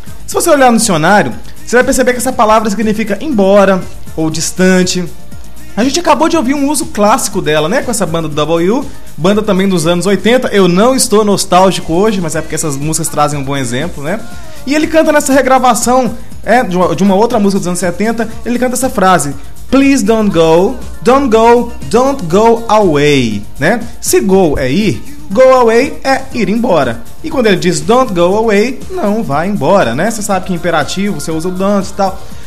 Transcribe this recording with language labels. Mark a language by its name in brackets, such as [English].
[Portuguese] Se você olhar no dicionário, você vai perceber que essa palavra significa embora ou distante. A gente acabou de ouvir um uso clássico dela, né? Com essa banda do W, banda também dos anos 80. Eu não estou nostálgico hoje, mas é porque essas músicas trazem um bom exemplo, né? E ele canta nessa regravação de uma outra música dos anos 70, ele canta essa frase... [English] Please don't go, don't go away, né? [Portuguese] Se go é ir, go away é ir embora. E quando ele diz [English] don't go away, [Portuguese] não vá embora, né? Você sabe que é imperativo, você usa o don't e tal.